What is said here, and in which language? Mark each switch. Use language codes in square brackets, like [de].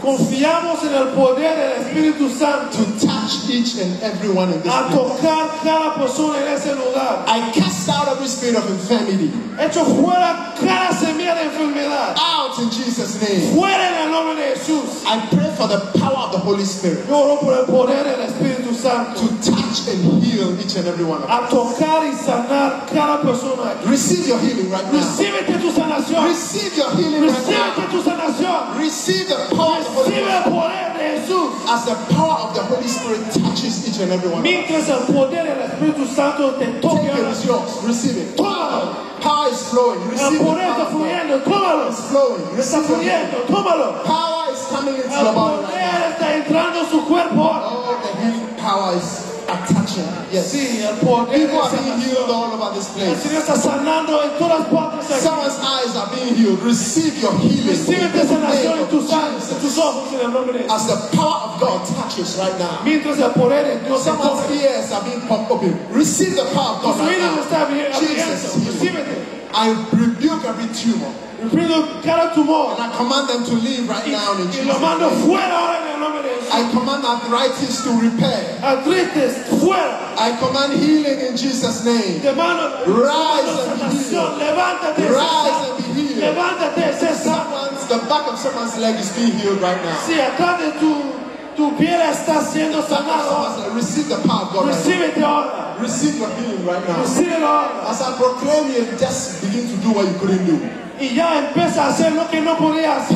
[es] Confiamos en el poder del Espíritu Santo. [en] To touch each and everyone in this place. [es] A tocar cada persona en ese lugar. [en] I cast out every spirit of infirmity. [es] Echo fuera cada semilla de enfermedad. [en] Out in Jesus' name. [es] Fuera en el nombre de Jesús. [en] I pray for the power of the Holy Spirit. [es] Yo oro por el poder del Espíritu Santo. [en] To touch and heal each and every one of us. [es] A tocar y sanar cada persona. [en] Receive your healing right now. [es] Recibe tu sanación. [en] Receive your healing [es] Recibe [en] right now. [es] Tu sanación. [en] Receive the power of the Holy Spirit. [es] El poder de Jesús. [en] As the power of the Holy Spirit touches each and every one [es] Mientras [en] of us. [es] El poder del Espíritu Santo te toque. [en] Take it, it's yours. Receive it. [es] Tómalo. [en] Power is flowing. Receive [es] el poder está fluyendo. Tómalo. [en] It's flowing. [es] Está fluyendo. Tómalo. [en] Power is coming into your body. [es] El poder está entrando en su cuerpo. [en] Oh, the healing power is attaching. Yes. [es] Sí, el poder [en] People are being healed all over this place. [es] El Señor está sanando en todas partes. [en] Someone's eyes are being healed. Receive your healing. [es] Recibe tu sanación en tus ojos, en tus ojos, en el nombre de Jesús. [en] As the power of God touches right now. [es] Mientras el poder de Dios está [en] Someone's ears are being popped open. Receive the power of God right now. [es] Está bien, Jesus, [en] receive it. I rebuke every tumor. [es] Reprendo cada tumor. [en] And I command them to leave right now in Jesus' name. [es] Y lo mando fuera ahora en el nombre de Jesús. [en] I command arthritis to repair. [es] Arthritis, fuera. [en] I command healing in Jesus' name. [es] Te mando [en] rise and be healed. [es] Levántate. [en] Rise and be healed. [es] Levántate. [en] Someone's, the back of someone's leg is being healed right now. [es] Sí, atrás de tu pie está siendo sanado. [en] Receive the power of God. [es] Recibe [en] right [es] ahora. [en] Receive your healing right now. [es] Recibe ahora. [en] As I proclaim you, just begin to do what you couldn't do. [es] Y ya empieza a hacer lo que no podía hacer.